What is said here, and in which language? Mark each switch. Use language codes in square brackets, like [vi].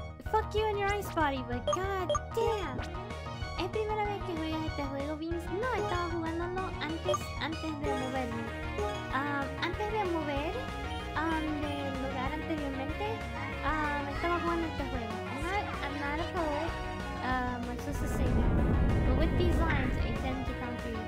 [en] Fuck you and your ice body, but god damn. [es] ¿Es primera vez que juegas este juego, Vince? No, estaba jugándolo antes de moverme. Antes de mover, del lugar anteriormente, estaba jugando este juego. [en] I'm not a poet, I'm just a singer. But with these lines, I tend to come to you.